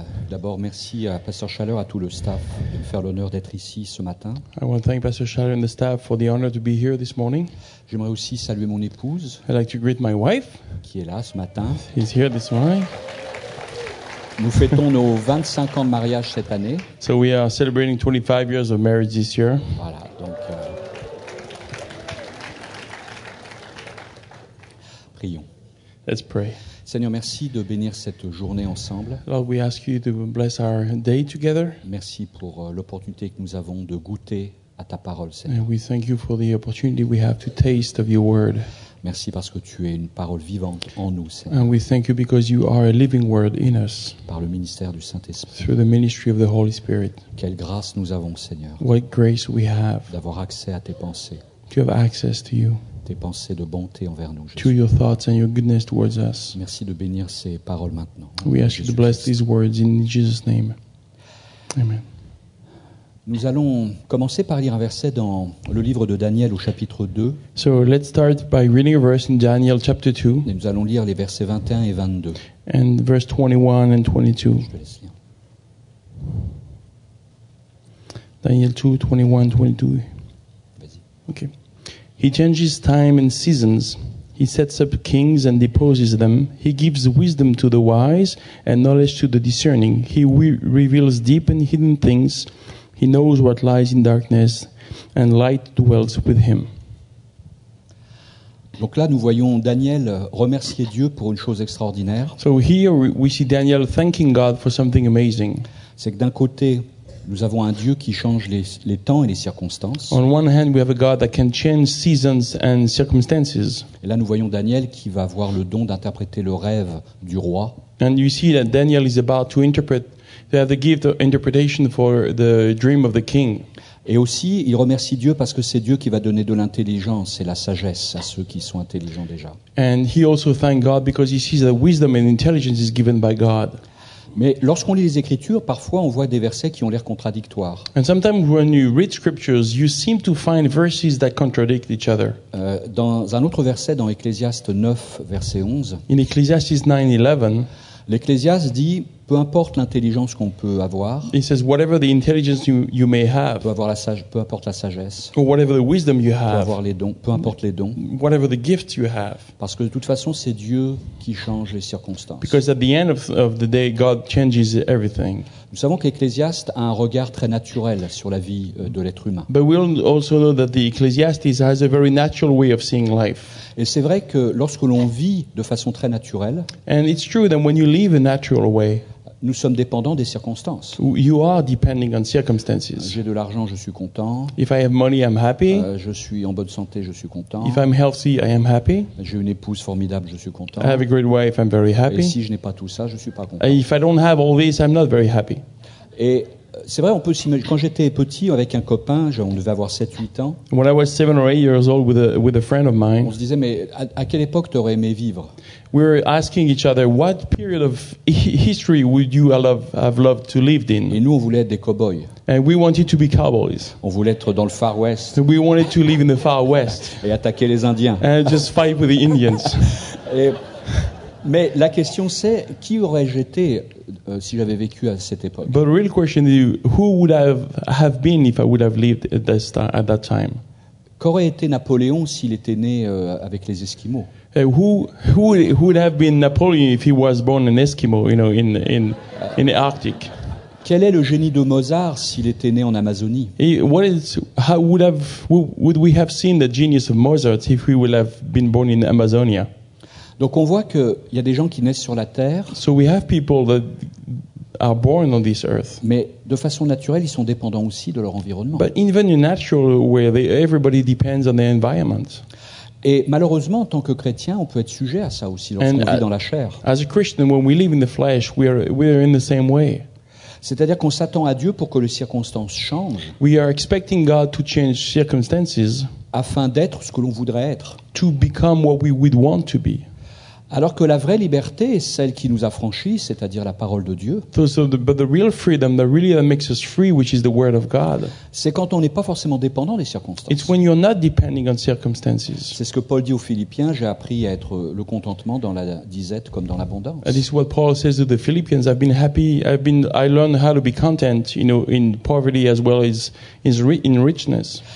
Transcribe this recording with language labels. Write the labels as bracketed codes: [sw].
[fr] D'abord, merci à Pasteur Schaller, à tout le staff, de me faire l'honneur d'être ici ce matin. [en] I want to thank Pastor Schaller and the staff for the honor to be here this morning. [fr] J'aimerais aussi saluer mon épouse. [en] I'd like to greet my wife, [fr] qui est là ce matin. [en] She's here this morning. [fr] Nous fêtons nos 25 ans de mariage cette année. [en] So we are celebrating 25 years of marriage this year. [fr] Voilà. Donc, prions. [en] Let's pray. [fr] Seigneur, merci de bénir cette journée ensemble. [en] Lord, we ask you to bless our day together. [fr] Merci pour l'opportunité que nous avons de goûter à ta parole, Seigneur. [en] And we thank you for the opportunity we have to taste of your word. [fr] Merci parce que tu es une parole vivante en nous, Seigneur. [en] And we thank you because you are a living word in us. [fr] Par le ministère du Saint-Esprit. [en] Through the ministry of the Holy Spirit. [fr] Quelle grâce nous avons, Seigneur. [en] What grace we have. [fr] D'avoir accès à tes pensées. [en] To have access to you. [fr] Tes pensées de bonté envers nous, Jésus. [en] To your thoughts and your goodness towards us. [fr] Merci de bénir ces paroles maintenant. [en] We ask you to bless these words in Jesus' name. Amen. [fr] Nous allons commencer par lire un verset dans le livre de Daniel au chapitre 2. [en] So let's start by reading a verse in Daniel chapter 2. [fr] Et nous allons lire les versets 21 et 22. [en] And verse 21 and 22. [fr] Je te laisse lire. Daniel 2:21-22. Vas-y. [en] Okay. He changes time and seasons. He sets up kings and deposes them. He gives wisdom to the wise and knowledge to the discerning. He reveals deep and hidden things. He knows what lies in darkness, and light dwells with him. [fr] Donc là, nous voyons Daniel remercier Dieu pour une chose extraordinaire. [en] So here we see Daniel thanking God for something amazing. [fr] C'est que d'un côté, nous avons un Dieu qui change les temps et les circonstances. [en] On one hand, we have a God that can change seasons and circumstances. [fr] Et là, nous voyons Daniel qui va avoir le don d'interpréter le rêve du roi. [en] And you see that Daniel is about to interpret. They have the gift of interpretation for the dream of the king. [fr] Et aussi, il remercie Dieu parce que c'est Dieu qui va donner de l'intelligence et la sagesse à ceux qui sont intelligents déjà. [en] And he also thanks God because he sees that wisdom and intelligence is given by God. [fr] Mais lorsqu'on lit les Écritures, parfois on voit des versets qui ont l'air contradictoires. [en] And sometimes when you read scriptures, you seem to find verses that contradict each other. [fr] Dans un autre verset, dans Ecclésiaste 9, verset 11. [en] In Ecclesiastes 9:11, [fr] l'Ecclésiaste dit, peu importe l'intelligence qu'on peut avoir. [en] It says whatever the intelligence you may have. [fr] Peut avoir la sagesse, peu importe la sagesse. [en] Or whatever the wisdom you have. [fr] Peut avoir les dons, peu importe les dons. [en] Whatever the gifts you have. [fr] Parce que de toute façon, c'est Dieu qui change les circonstances. [en] Because at the end of the day, God changes everything. [fr] Nous savons qu'Ecclésiaste a un regard très naturel sur la vie de l'être humain. [en] But we also know that the Ecclesiastes has a very natural way of seeing life. [fr] Et c'est vrai que lorsque l'on vit de façon très naturelle, [en] and it's true that when you live a natural way, [fr] nous sommes dépendants des circonstances. [en] You are depending on circumstances. [fr] J'ai de l'argent, je suis content. [en] If I have money, I'm happy. [fr] Je suis en bonne santé, je suis content. [en] If I'm healthy, I am happy. [fr] J'ai une épouse formidable, je suis content. [en] I have a great wife, I'm very happy. [fr] Et si je n'ai pas tout ça, je suis pas content. [en] If I don't have all this, I'm not very happy. [fr] Et c'est vrai, on peut s'imaginer. Quand j'étais petit avec un copain, on devait avoir 7-8 ans. [en] When I was 7 or 8 years old with a friend of mine. [fr] On se disait, mais à quelle époque t'aurais aimé vivre? [en] We were asking each other what period of history would you have loved to lived in? [fr] Et nous, on voulait être des cowboys. [en] And we wanted to be cowboys. [fr] On voulait être dans le Far West. [en] So we wanted to live in the Far West. [fr] Et attaquer les Indiens. [en] And just fight with the Indians. [fr] Mais la question c'est, qui aurais-je été si j'avais vécu à cette époque? [en] But the real question is, who would I have been if I would have lived at that time? [fr] Qu'aurait été Napoléon s'il était né avec les Esquimaux? [en] Who would have been Napoleon if he was born an Eskimo, you know, in the Arctic? [fr] Quel est le génie de Mozart s'il était né en Amazonie? [en] Would we have seen the genius of Mozart if he would have been born in Amazonia? [fr] Donc on voit qu'il y a des gens qui naissent sur la terre. [en] So we have people that are born on this earth. [fr] Mais de façon naturelle, ils sont dépendants aussi de leur environnement. [en] But in even a natural way, everybody depends on their environment. [fr] Et malheureusement, en tant que chrétien, on peut être sujet à ça aussi lorsqu'on vit dans la chair. [en] As a Christian, when we live in the flesh, we are in the same way. [fr] C'est-à-dire qu'on s'attend à Dieu pour que les circonstances changent. [en] We are expecting God to change circumstances. [fr] Afin d'être ce que l'on voudrait être. [en] To become what we would want to be. [fr] Alors que la vraie liberté, celle qui nous affranchit, c'est-à-dire la parole de Dieu. C'est quand on n'est pas forcément dépendant des circonstances. [en] It's when you're not depending on circumstances. [fr] C'est ce que Paul dit aux Philippiens, j'ai appris à être le contentement dans la disette comme dans l'abondance. [en] And this is what Paul says to the Philippians, I learned how to be content, you know, in poverty as well as in richness.